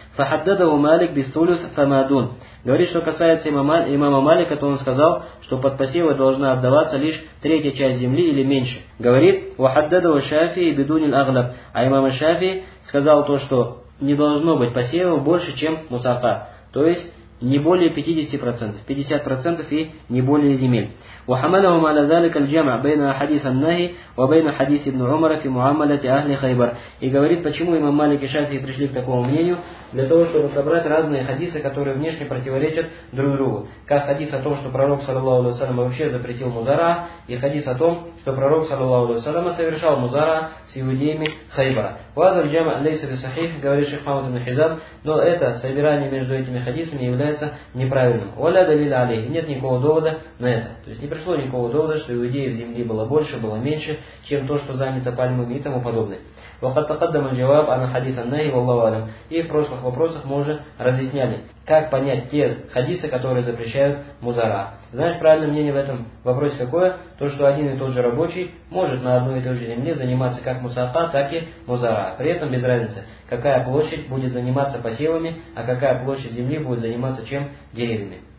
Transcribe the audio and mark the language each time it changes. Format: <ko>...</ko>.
<ar>Фахаддадаху Малик бистулюс фамадун.</ar> <ru>Говорит, что касается имама Малика, то он сказал, что под посевы должна отдаваться лишь третья часть земли или меньше. Говорит,</ru> <ar>вахаддадаху Шафии бидуниль агляб.</ar> <ru>А имама Шафии сказал то, что не должно быть посевов больше, чем мусаха. То есть не более 50%, 50% и не более земель.</ru> <ar>وحمله على ذلك الجمع بين حديث النهي وبين حديث ابن عمر في معاملة أهل خيبر.</ar> <ru>И говорит, почему имам Малик и Шафии пришли к такому мнению? Для того, чтобы собрать разные хадисы, которые внешне противоречат друг другу. Как хадис о том, что пророк саллаллаху алейхи ва саллям вообще запретил музара, и хадис о том, что пророк саллаллаху алейхи ва саллям совершал музара с иудеями Хайбара.</ru> <ar>وهذا الجمع ليس بصحيح,</ar> <ru>говорит шейх Мухаммад ибн Хизам, но это собирание между этими хадисами является неправильным.</ru> <ar>ولا دليل عليه,</ar> <ru>нет никакого довода на это. То есть не пришло никакого довода, что иудеев земли было больше, было меньше, чем то, что занято пальмами и тому подобное.</ru> <ar>وقد تقدم الجواب عن حديث النهي والله أعلم.</ar> <ru>И в прошлых вопросах мы уже разъясняли, как понять те хадисы, которые запрещают музара. Знаешь, правильное мнение в этом вопросе какое? То, что один и тот же рабочий может на одной и той же земле заниматься как мусаха, так и музара. При этом без разницы, какая площадь будет заниматься посевами, а какая площадь земли будет заниматься чем? Деревьями.</ru>